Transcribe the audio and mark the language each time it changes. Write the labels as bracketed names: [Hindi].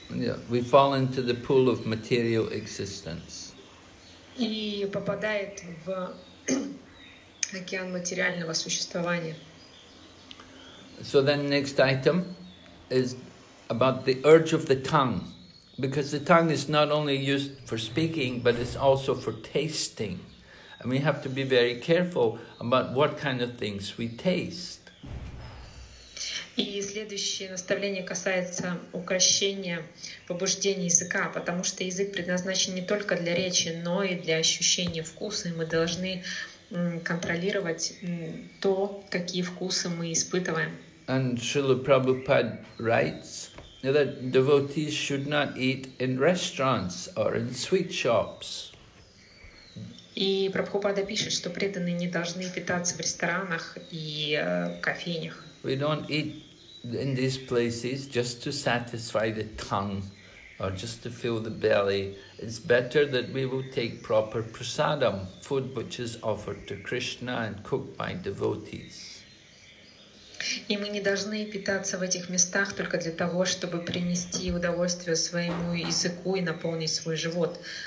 [English] Yeah, we fall into the pool of material existence. [Russian] И попадает в океан материального существования. [English] So then next item is about the urge of the tongue, because the tongue is not only used for speaking, but it's also for tasting. And we have to be very careful about what kind of things we taste. [Russian] И следующее наставление касается укрощения побуждений языка, потому что язык предназначен не только для речи, но и для ощущения вкуса, и мы должны контролировать то, какие вкусы мы испытываем. [English] And Srila Prabhupada writes that devotees should not eat in restaurants or in sweet shops. [Russian] И Прабхупада пишет, что преданные не должны питаться в ресторанах и кофейнях. [English] We don't eat in these places just to satisfy the tongue or just to fill the belly. It's better that we will take proper prasadam, food which is offered to Krishna and cooked by devotees. [Russian] И мы не должны питаться в этих местах только для того, чтобы принести удовольствие своему языку и наполнить свой живот.